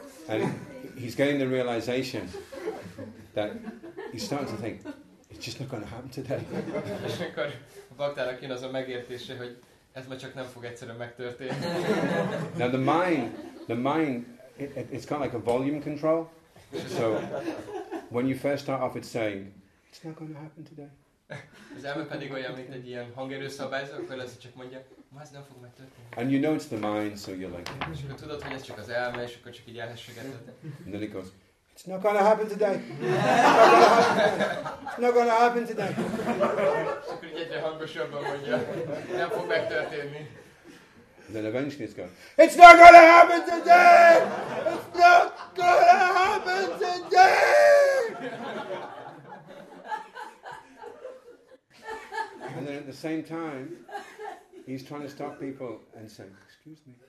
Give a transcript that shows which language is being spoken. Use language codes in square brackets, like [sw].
[en] And he's getting the realization that he's starting to think it's just not going to happen today. [hu] És akkor a baktának jön az a megértése, hogy ez már csak nem fog egyszerűen megtörténni. [en] Now the mind, it's kind of like a volume control. So when you first start off, it's saying it's not going to happen today. [hu] Az elme pedig olyan, mint egy ilyen hangerőszabályzó, akkor lesz, csak mondja, ma ez nem fog megtörténni. [en] And you know it's the mind, so you're like... [hu] És akkor tudod, hogy ez csak az elme, és akkor csak így elhessegeted. [en] And then it goes, it's not gonna happen today! It's not gonna happen today! [hu] És akkor így egyre hangosabban mondja, nem fog megtörténni. [en] And then eventually it's going, it's not gonna happen today! It's not gonna happen today! And then at the same time, he's trying to stop people and say, excuse me.